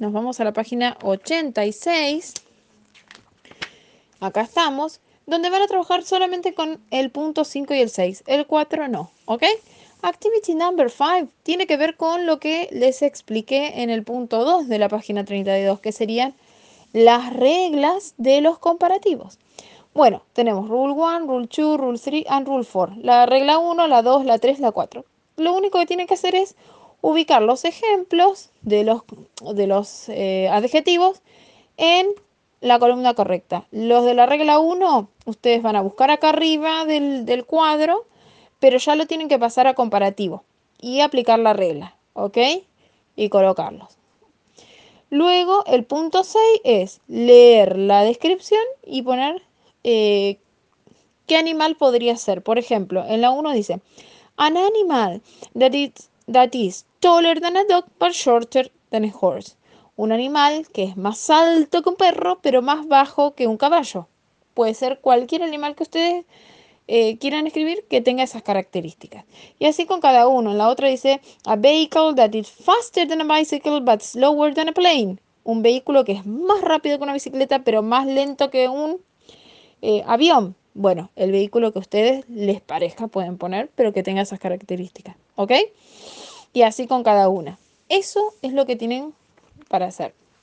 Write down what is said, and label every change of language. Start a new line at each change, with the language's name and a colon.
Spanish: Nos vamos a la página 86. Acá estamos. Donde van a trabajar solamente con el punto 5 y el 6. El 4 no. ¿Ok?
English: Activity number 5
Spanish: tiene que ver con lo que les expliqué en el punto 2 de la página 32, que serían las reglas de los comparativos. Bueno, tenemos
English: rule 1, rule 2, rule 3 and rule 4.
Spanish: La regla 1, la 2, la 3, la 4. Lo único que tienen que hacer es ubicar los ejemplos de los adjetivos en la columna correcta. Los de la regla 1, ustedes van a buscar acá arriba del cuadro, pero ya lo tienen que pasar a comparativo y aplicar la regla, ¿ok? Y colocarlos. Luego, el punto 6 es leer la descripción y poner qué animal podría ser. Por ejemplo, en la 1 dice:
English: An animal that is taller than a dog but shorter than a horse.
Spanish: Un animal que es más alto que un perro, pero más bajo que un caballo. Puede ser cualquier animal que ustedes quieran escribir que tenga esas características. Y así con cada uno. La otra dice,
English: a vehicle that is faster than a bicycle but slower than a plane.
Spanish: Un vehículo que es más rápido que una bicicleta, pero más lento que un avión. Bueno, el vehículo que a ustedes les parezca pueden poner, pero que tenga esas características. ¿Ok? Y así con cada una. Eso es lo que tienen para hacer.